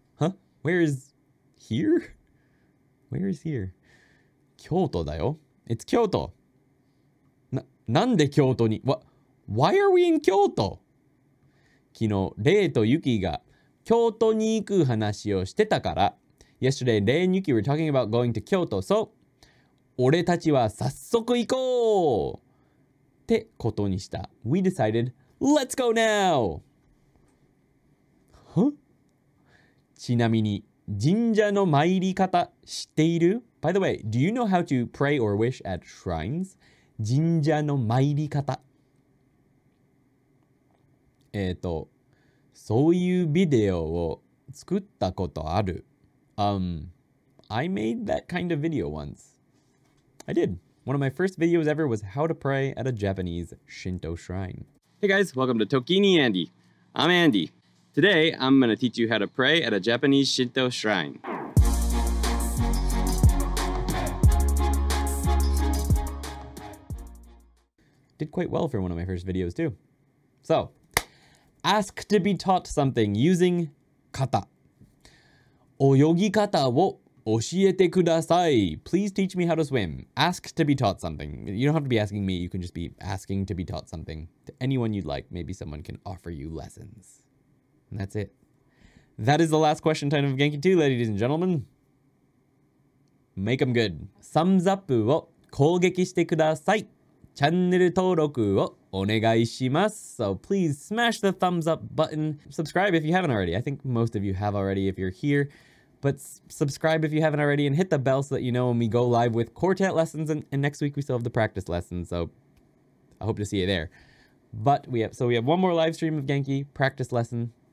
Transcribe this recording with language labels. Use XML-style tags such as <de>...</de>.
<en>Huh? Where is here? Where is here?</en> <ja>京都だよ。</ja> <en>It's 京都。</en> <ja>なんで京都に？</ja> <en>Why are we in 京都？</en> <ja>昨日、レイとユキが京都に行く話をしてたから。</ja> <en>Yesterday, レイ and ユキ were talking about going to 京都, so</en> <ja>俺たちは早速行こうってことにした。</ja> <en>We decided, let's go now! Huh?</en> <ja>ちなみに、神社の参り方知っている？</ja> <en>By the way, do you know how to pray or wish at shrines?</en> <ja>神社の参り方。そういうビデオを作ったことある。</ja> <en>I made that kind of video once. I did. One of my first videos ever was how to pray at a Japanese Shinto shrine. Hey guys, welcome to ToKini Andy. I'm Andy. Today, I'm going to teach you how to pray at a Japanese Shinto shrine. Did quite well for one of my first videos too. So,Ask to be taught something using kata.</en> <ja>泳ぎ方を教えてください。</ja> <en>Please teach me how to swim. Ask to be taught something. You don't have to be asking me. You can just be asking to be taught something to anyone you'd like. Maybe someone can offer you lessons. And that's it. That is the last question time of Genki 2, ladies and gentlemen. Make them good.</en> <ja>サムズアップを攻撃してください。チャンネル登録をお願いします。</ja> <en>So please smash the thumbs up button. Subscribe if you haven't already. I think most of you have already if you're here. But subscribe if you haven't already and hit the bell so that you know when we go live with quartet lessons. And next week we still have the practice lessons. So I hope to see you there. But we have one more live stream of Genki practice lesson.</en>